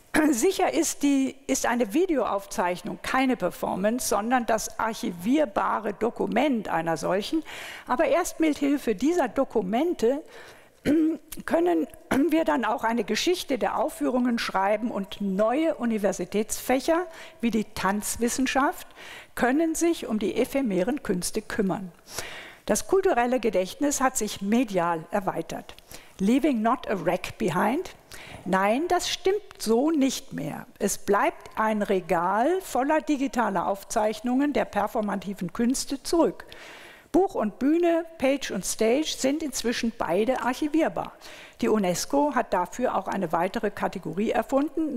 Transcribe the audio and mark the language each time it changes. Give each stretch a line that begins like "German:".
German: Sicher ist eine Videoaufzeichnung keine Performance, sondern das archivierbare Dokument einer solchen, aber erst mit Hilfe dieser Dokumente können wir dann auch eine Geschichte der Aufführungen schreiben und neue Universitätsfächer wie die Tanzwissenschaft können sich um die ephemeren Künste kümmern. Das kulturelle Gedächtnis hat sich medial erweitert.
English: Leaving not a wreck behind?
German: Nein, das stimmt so nicht mehr. Es bleibt ein Regal voller digitaler Aufzeichnungen der performativen Künste zurück. Buch und Bühne, Page und Stage sind inzwischen beide archivierbar. Die UNESCO hat dafür auch eine weitere Kategorie erfunden.